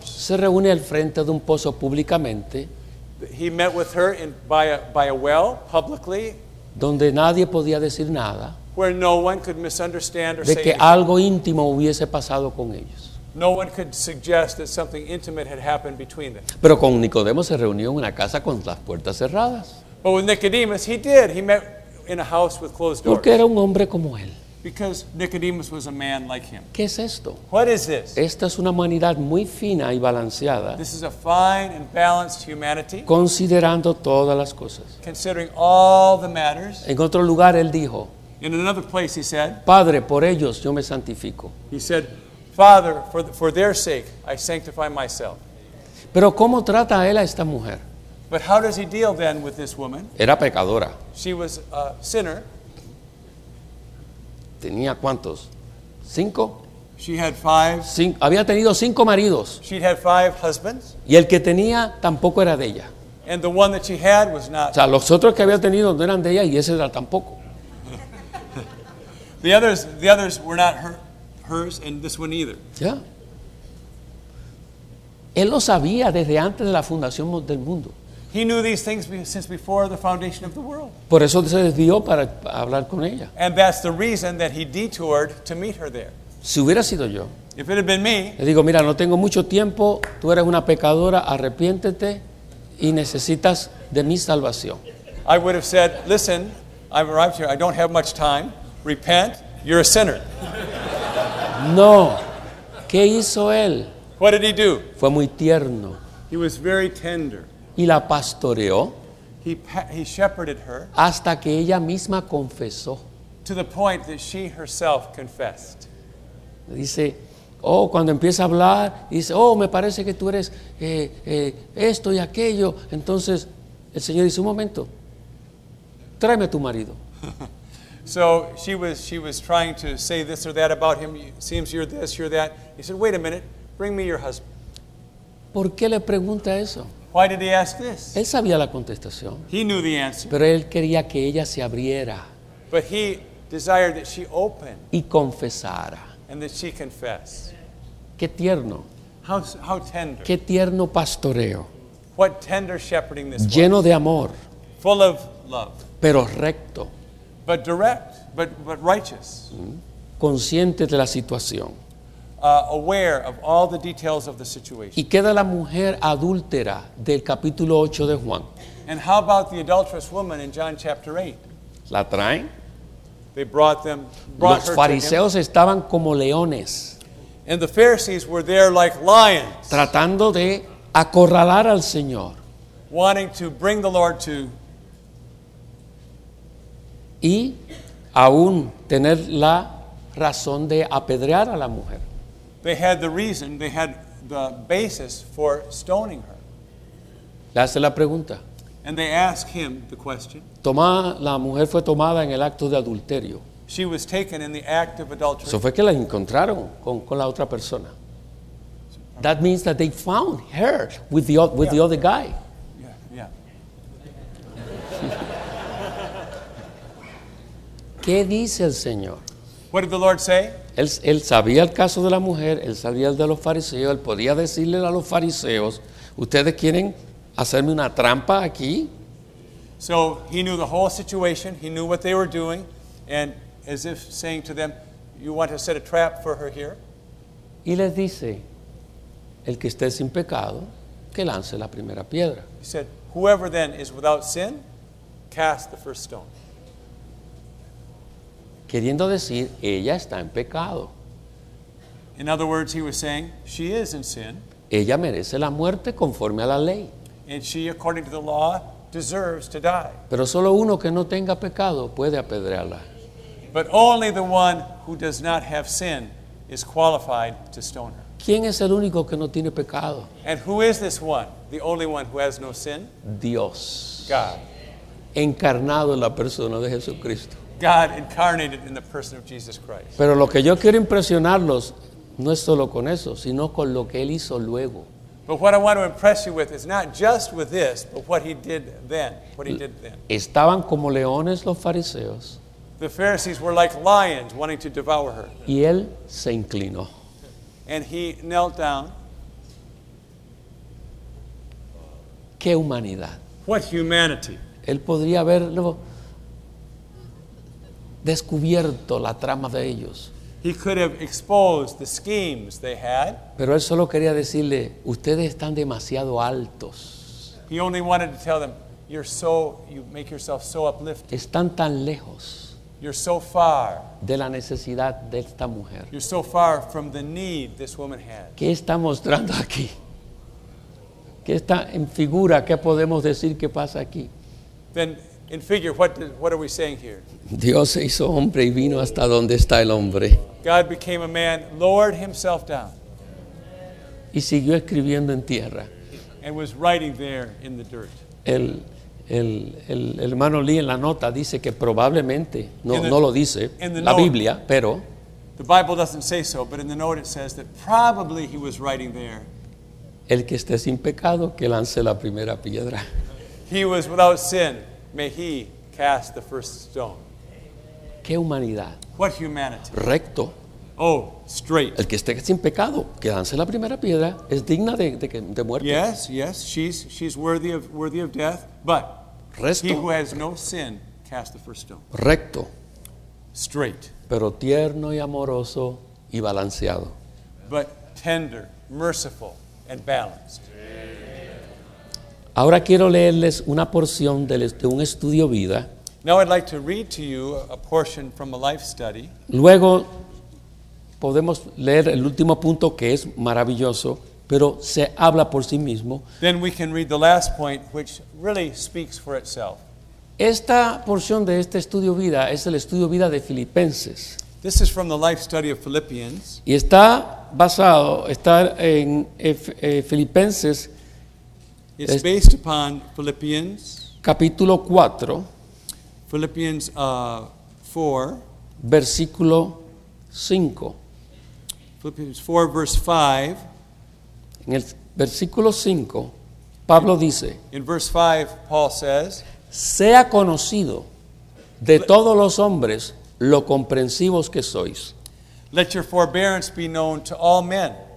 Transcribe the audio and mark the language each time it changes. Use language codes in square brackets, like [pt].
[es] Se reúne al frente de un pozo públicamente. [en] He met with her by a well publicly, [es] donde nadie podía decir nada, [en] where no one could misunderstand or [es] de [en] say [es] que [en] anything. [es] Algo íntimo hubiese pasado con ellos. [en] No one could suggest that something intimate had happened between them. [es] Pero con Nicodemo se reunió en una casa con las puertas cerradas. [en] But with Nicodemus he did. He met in a house with closed doors. [es] Porque era un hombre como él. [en] Because Nicodemus was a man like him. [es] ¿Qué es esto? [en] What is this? [es] Esta es una humanidad muy fina y balanceada. [en] This is a fine and balanced humanity. [es] Considerando todas las cosas. [en] Considering all the matters. [es] En otro lugar él dijo. [en] In another place he said. [es] Padre, por ellos yo me santifico. [en] He said, Father, for their sake I sanctify myself. [es] Pero ¿cómo trata él a esta mujer? [en] But how does he deal then with this woman? [es] Era pecadora. [en] She was a sinner. [es] ¿Tenía cuántos? ¿Cinco? [en] She had five. [es] Había tenido cinco maridos. [en] She'd had five husbands. [es] Y el que tenía tampoco era de ella. [en] And the one that she had was not. [es] O sea, los otros que había tenido no eran de ella y ese era tampoco. [en] The others were not hers and this one either. Yeah. [es] Él lo sabía desde antes de la fundación del mundo. [en] He knew these things since before the foundation of the world. [es] Por eso se desvió para hablar con ella. [en] And that's the reason that he detoured to meet her there. [es] Si hubiera sido yo. [en] If it had been me. [es] Le digo, mira, no tengo mucho tiempo. Tú eres una pecadora. Arrepiéntete. y necesitas de mi salvación. [en] I would have said, listen, I've arrived here, I don't have much time, repent, you're a sinner. [es] No. ¿Qué hizo él? [en] What did he do? [es] Fue muy tierno. [en] He was very tender. [es] Y la pastoreó. [en] He shepherded her. [es] Hasta que ella misma confesó. [en] To the point that she herself confessed. [es] Dice, oh, cuando empieza a hablar, dice, oh, me parece que tú eres esto y aquello. Entonces, el Señor dice, un momento, tráeme a tu marido. [en] So she was trying to say this or that about him. It seems you're this, you're that. He said, wait a minute, bring me your husband. [es] ¿Por qué le pregunta eso? [en] Why did he ask this? [es] Él sabía la contestación. [en] He knew the answer. [es] Pero él quería que ella se abriera. [en] But he desired that she open. [es] Y confesara. [en] And that she confess. [es] Qué tierno. [en] How tender. [es] Qué tierno pastoreo. [en] What tender shepherding this [es] Lleno de amor. [en] Full of love. [es] Pero recto. [en] But direct, but righteous. [es] Consciente de la situación. [en] Aware of all the details of the situation. [es] Y queda la mujer adúltera del capítulo 8 de Juan. [en] And how about the adulterous woman in John chapter 8? [es] La traen. [en] They brought them. Brought [es] Los fariseos [en] her to [es] estaban como leones. [en] And the Pharisees were there like lions. [es] Tratando de acorralar al Señor. [en] Wanting to bring the Lord to. [es] Y aún tener la razón de apedrear a la mujer. [en] They had the reason, they had the basis for stoning her. [es] Le hace la pregunta. [en] And they ask him the question. [es] La mujer fue tomada en el acto de adulterio. [en] She was taken in the act of adultery. [es] Eso fue que la encontraron con la otra persona. [en] That means that they found her with the other guy. [es] ¿Qué dice el Señor? [en] What did the Lord say? [es] Él sabía el caso de la mujer, él sabía el de los fariseos, él podía decirle a los fariseos, ¿ustedes quieren hacerme una trampa aquí? [en] So he knew the whole situation, he knew what they were doing, and as if saying to them, you want to set a trap for her here? [es] Y les dice, el que esté sin pecado, que lance la primera piedra. [en] He said, whoever then is without sin, cast the first stone. [es] Queriendo decir, ella está en pecado. [en] In other words, he was saying, she is in sin. [es] Ella merece la muerte conforme a la ley. [en] And she, according to the law, deserves to die. [es] Pero solo uno que no tenga pecado puede apedrearla. [en] But only the one who does not have sin is qualified to stone her. [es] ¿Quién es el único que no tiene pecado? [en] And who is this one, the only one who has no sin? [es] Dios. [en] God. [es] Encarnado en la persona de Jesucristo. [en] God incarnated in the person of Jesus Christ. [es] Pero lo que yo quiero impresionarlos no es solo con eso, sino con lo que él hizo luego. [en] But what I want to impress you with is not just with this, but what he did then. What he did then. [es] Estaban como leones los fariseos. [en] The Pharisees were like lions wanting to devour her. [es] Y él se inclinó. [en] And he knelt down. [es] Qué humanidad. [en] What humanity. [es] Él podría haberlo descubierto la trama de ellos. [en] He could have exposed the schemes they had. [es] Pero él solo quería decirle, ustedes están demasiado altos. [en] He only wanted to tell them, you make yourself so uplifted. [es] Están tan lejos. [en] You're so far. [es] De la necesidad de esta mujer. [en] You're so far from the need this woman had. [es] ¿Qué está mostrando aquí? ¿Qué está en figura? ¿Qué podemos decir que pasa aquí? [en] Then, in figure, what are we saying here? [es] Dios se hizo hombre y vino hasta donde está el hombre. [en] God became a man, lowered himself down. [es] Y siguió escribiendo en tierra. [en] And was writing there in the dirt. [es] El hermano Lee en la nota dice que probablemente, no lo dice, [en] note, [es] la Biblia, pero. [en] The Bible doesn't say so, but in the note it says that probably he was writing there. [es] El que esté sin pecado, que lance la primera piedra. [en] He was without sin. May he cast the first stone. [es] ¿Qué humanidad? [en] What humanity? [es] Recto. [en] Oh, straight. [es] El que esté sin pecado, que lance la primera piedra, es digna de muerte. [en] Yes, yes, she's worthy of death, but [es] Resto. [en] He who has no sin, cast the first stone. [es] Recto. [en] Straight. [es] Pero tierno y amoroso y balanceado. [en] But tender, merciful, and balanced. [es] Ahora quiero leerles una porción de un estudio vida. [en] Now I'd like to read to you a portion from a life study. [es] Luego podemos leer el último punto que es maravilloso, pero se habla por sí mismo. [en] Then we can read the last point, which really speaks for itself. [es] Esta porción de este estudio vida es el estudio vida de Filipenses. [en] This is from the life study of Philippians. [es] Y está basado, está en Filipenses. [en] It's based upon Philippians. [es] Capítulo 4. [en] Philippians 4. [es] Versículo 5. [en] Philippians 4, verse 5. [es] En el versículo 5, Pablo dice. [en] In verse 5, Paul says. [es] Sea conocido de todos los hombres lo comprensivos que sois. [en] Let your forbearance be known to all men.